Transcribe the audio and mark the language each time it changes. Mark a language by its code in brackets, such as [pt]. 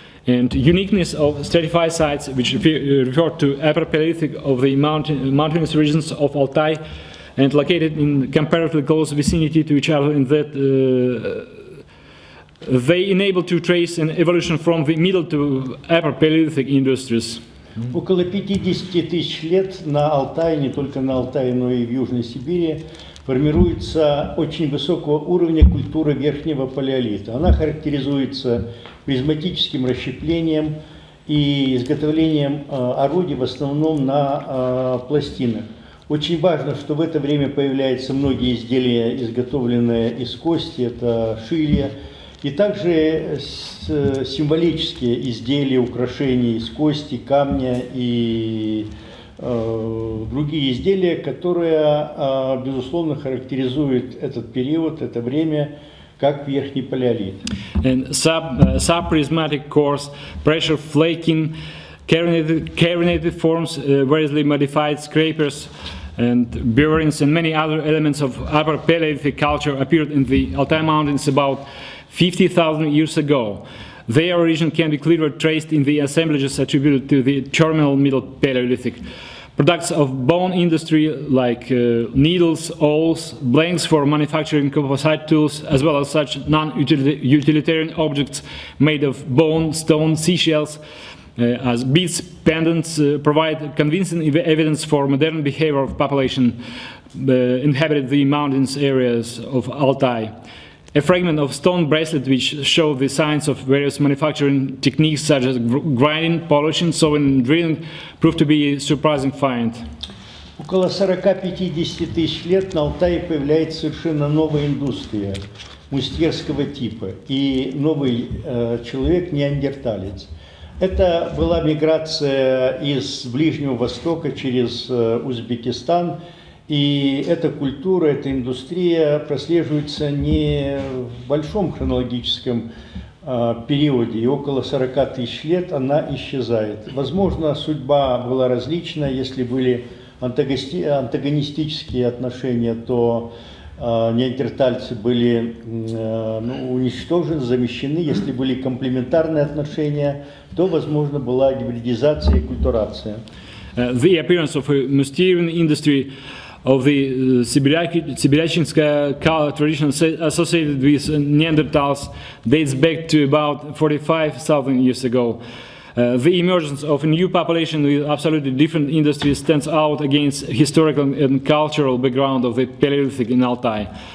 [en] And uniqueness of stratified sites, which refer to upper Palaeolithic of the mountainous regions of Altai and located in comparatively close vicinity to each other, in that they enable to trace an evolution from the middle to upper Palaeolithic industries. [ru] Около 50 тысяч лет на Алтае, не только на Алтае, но и в Южной Сибири, формируется очень высокого уровня культура верхнего палеолита. Она характеризуется призматическим расщеплением и изготовлением орудий в основном на пластинах. Очень важно, что в это время появляются многие изделия, изготовленные из кости, это шилья, и также символические изделия, украшения из кости, камня и другие изделия, которые, безусловно, характеризуют этот период, это время, как верхний палеолит. [en] And sub-prismatic cores, pressure flaking, carinated forms, variously modified scrapers, and bearings, and many other elements of upper Palaeolithic culture appeared in the Altai Mountains about 50,000 years ago. Their origin can be clearly traced in the assemblages attributed to the terminal middle Palaeolithic. Products of bone industry like needles, awls, blanks for manufacturing composite tools, as well as such non-utilitarian objects made of bone, stone, seashells, as beads, pendants, provide convincing evidence for modern behavior of population inhabited the mountainous areas of Altai. A fragment of stone bracelet which showed the signs of various manufacturing techniques such as grinding, polishing, sawing, and drilling proved to be a surprising find. [ru] Около 40-50 тысяч лет на Алтае появляется совершенно новая индустрия мустерского типа и новый человек неандерталец. Это была миграция из Ближнего Востока через Узбекистан. И эта культура, эта индустрия прослеживается не в большом хронологическом периоде, и около 40 тысяч лет она исчезает. Возможно, судьба была различна, если были антагонистические отношения, то неандертальцы были уничтожены, замещены. Если были комплементарные отношения, то, возможно, была гибридизация и культурация. [en] The appearance of a mysterious industry of the Siberianska tradition associated with Neanderthals dates back to about 45,000 years ago. The emergence of a new population with absolutely different industries stands out against historical and cultural background of the Palaeolithic in Altai.